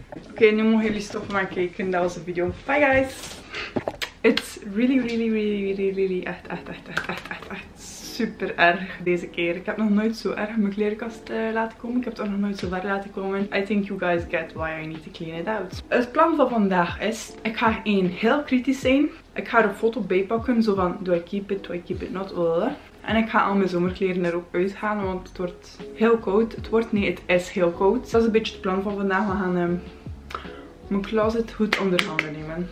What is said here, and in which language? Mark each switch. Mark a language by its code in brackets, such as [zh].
[nl] Oké, nu mogen jullie stoppen met kijken. Dat was de video. [en] Bye, guys! It's really, really, really, really, really, [nl] echt super erg deze keer. Ik heb nog nooit zo erg mijn kleerkast laten komen. Ik heb het ook nog nooit zo ver laten komen. [en] I think you guys get why I need to clean it out. [nl] Het plan van vandaag is, ik ga één heel kritisch zijn. Ik ga er een foto bij pakken, zo van, [en] do I keep it not? [nl] En ik ga al mijn zomerkleren er ook uitgaan, want het wordt heel koud. Het is heel koud. Dat is een beetje het plan van vandaag. We gaan mijn closet goed onder handen nemen.